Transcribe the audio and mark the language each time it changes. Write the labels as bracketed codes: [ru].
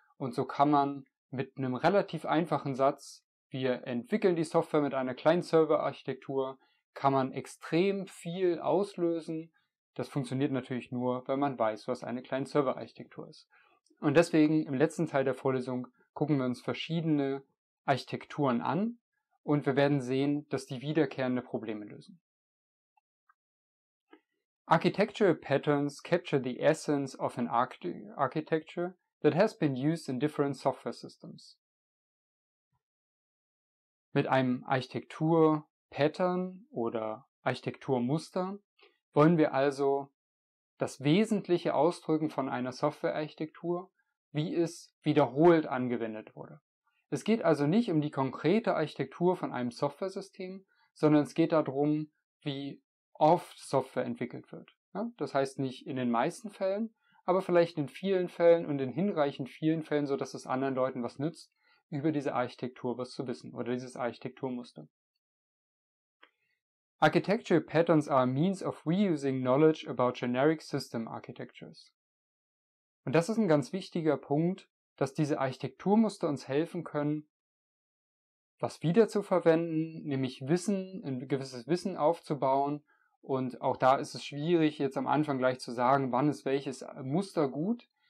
[de] Und so kann man mit einem relativ einfachen Satz, wir entwickeln die Software mit einer Client-Server-Architektur, kann man extrem viel auslösen. Das funktioniert natürlich nur, wenn man weiß, was eine Client-Server-Architektur ist. Und deswegen im letzten Teil der Vorlesung gucken wir uns verschiedene Architekturen an und wir werden sehen, dass die wiederkehrende Probleme lösen. [en] Architectural patterns capture the essence of an architecture that has been used in different software systems. [de] Mit einem Architektur-Pattern oder Architekturmuster wollen wir also das Wesentliche ausdrücken von einer Softwarearchitektur, wie es wiederholt angewendet wurde. Es geht also nicht um die konkrete Architektur von einem Softwaresystem, sondern es geht darum, wie oft Software entwickelt wird. Das heißt nicht in den meisten Fällen, aber vielleicht in vielen Fällen und in hinreichend vielen Fällen, sodass es anderen Leuten was nützt, über diese Architektur was zu wissen oder dieses Architekturmuster. [en] Architectural patterns are a means of reusing knowledge about generic system architectures. [de] Und das ist ein ganz wichtiger Punkt, dass diese Architekturmuster uns helfen können, was wiederzuverwenden, nämlich Wissen, ein gewisses Wissen aufzubauen. Und auch da ist es schwierig, jetzt am Anfang gleich zu sagen, wann ist welches Muster gut.